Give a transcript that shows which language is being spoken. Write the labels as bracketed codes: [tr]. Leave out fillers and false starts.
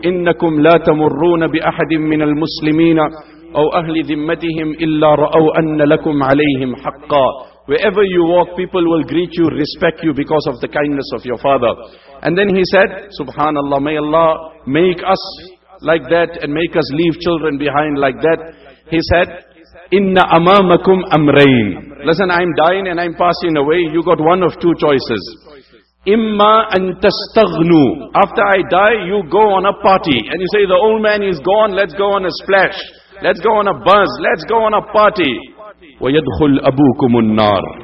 [ar] إِنَّكُمْ لَا تَمُرُّونَ بِأَحَدٍ مِّنَ الْمُسْلِمِينَ أَوْ أَهْلِ ذِمَّتِهِمْ إِلَّا رَأَوْا أَنَّ لَكُمْ عَلَيْهِمْ حَقَّا. [en] Wherever you walk, people will greet you, respect you because of the kindness of your father. And then he said, Subhanallah, may Allah make us like that and make us leave children behind like that. He said, [ar] إِنَّ أَمَامَكُمْ أَمْرَيْن. [en] Listen, I'm dying and I'm passing away. You got one of two choices. Imma an tastaghnu. After I die, you go on a party. And you say, the old man is gone, let's go on a splash. Let's go on a buzz, let's go on a party. [ar] وَيَدْخُلْ أَبُوكُمُ النَّارِ.